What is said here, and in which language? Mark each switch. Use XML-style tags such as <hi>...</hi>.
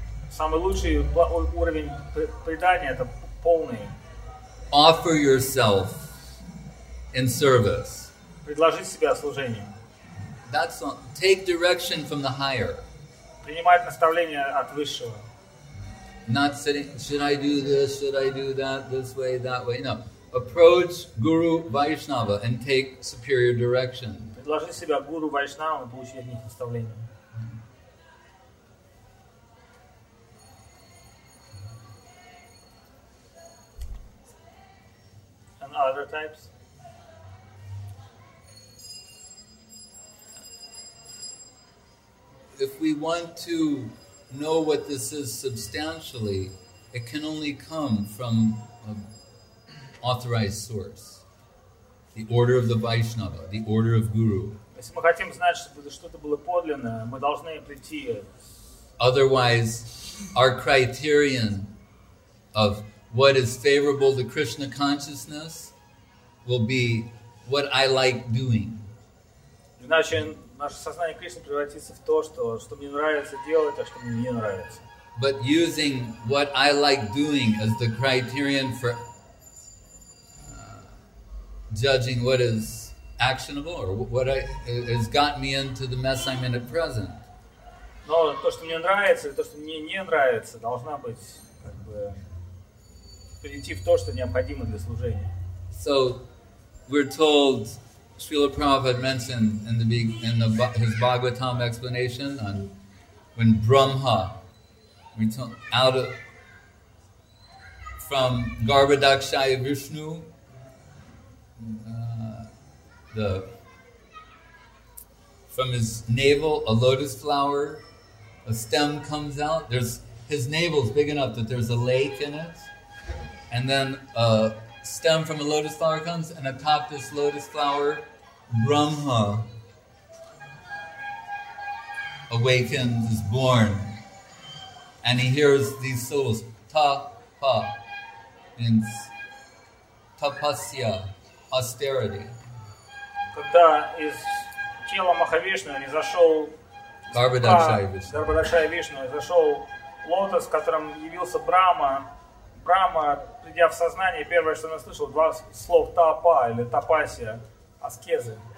<ru>Самый лучший уровень предания это полный.</ru> <en>Offer yourself in service.</en> <ru>Предложи себя служению.</ru> <en>That's on, take direction from the higher.</en> <ru>Принимать наставления от высшего.</ru> <en>Not sitting, should I do this, should I do that, this way, that way. No. Approach Guru Vaishnava and take superior direction.</en> <ru>Предложи себя Гуру Вайшнава и получи от них наставления.</ru> <en>Other types? If we want to know what this is substantially, it can only come from an authorized source. The order of the Vaishnava, the order of Guru.</en> <ru>Если мы хотим знать, чтобы что-то было подлинное, мы должны прийти...</ru> <en>Otherwise, our criterion of what is favorable to Krishna consciousness will be what I like doing.</en> <ru>Иначе наше сознание Кришны превратится в то, что мне нравится делать, а что мне не нравится.</ru> <en>But using what I like doing as the criterion for judging what is actionable or what has got me into the mess I'm in at present.</en> <ru>Но то, что мне нравится, или то, что мне не нравится, должна быть как бы перейти в то, что необходимо для служения.</ru> <en>So we're told, Srila Prabhupada mentioned in his Bhagavatam explanation on when Brahma, we told out of from Garbhadakshaya Vishnu, from his navel a lotus flower, a stem comes out. There's his navel's big enough that there's a lake in it, and then stem from a lotus flower comes, and atop this lotus flower, Brahma awakens, is born, and he hears these syllables, ta-pa, means tapasya, austerity.</en> <ru>Когда из тела Махавишны изошел Гарбхадакшая Вишну, изошел лотос, в котором явился Брахма, Брахма, придя в сознание, первое, что он услышал, два слова тапа или тапасия, аскезы.</ru>